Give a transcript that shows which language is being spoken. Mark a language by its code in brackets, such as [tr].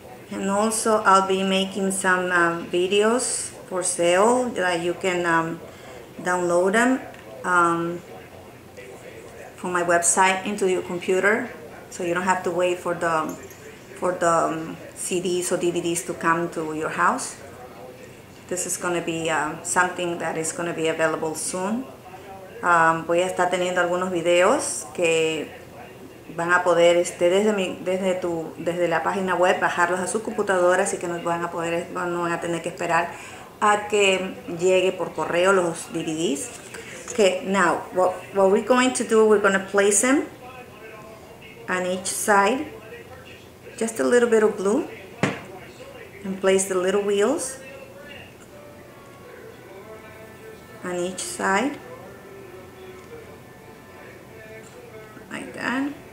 [en] And also, I'll be making some videos for sale that you can download them from my website into your computer, so you don't have to wait for the CDs or DVDs to come to your house. This is going to be something that is going to be available soon. [es] Voy a estar teniendo algunos videos que van a poder desde la página web bajarlos a sus computadoras, y que no van a poder, no van a tener que esperar a que llegue por correo los DVDs. [en] Okay, now what we're going to do, we're going to place them on each side, just a little bit of blue, and place the little wheels on each side like that.